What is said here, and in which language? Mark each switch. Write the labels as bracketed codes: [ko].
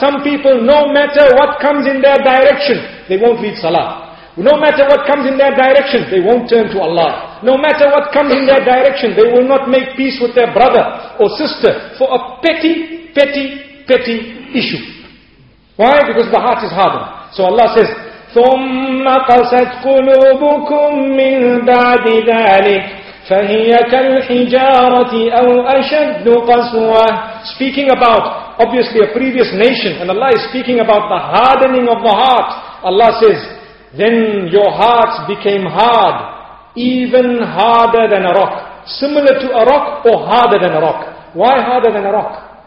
[en] Some people, no matter what comes in their direction, they won't read salah. No matter what comes in their direction, they won't turn to Allah. No matter what comes in their direction, they will not make peace with their brother or sister for a petty, petty, petty issue. Why? Because the heart is hardened. So Allah says, [ar] ثُمَّ قَسَتْ قُلُوبُكُمْ مِنْ بَعْدِ ذَلِكَ فَهِيَ كَالْحِجَارَةِ أَوْ أَشَدُّ قَسْوَةً. [en] Speaking about, obviously, a previous nation, and Allah is speaking about the hardening of the heart. Allah says, then your hearts became hard, even harder than a rock. Similar to a rock or harder than a rock. Why harder than a rock?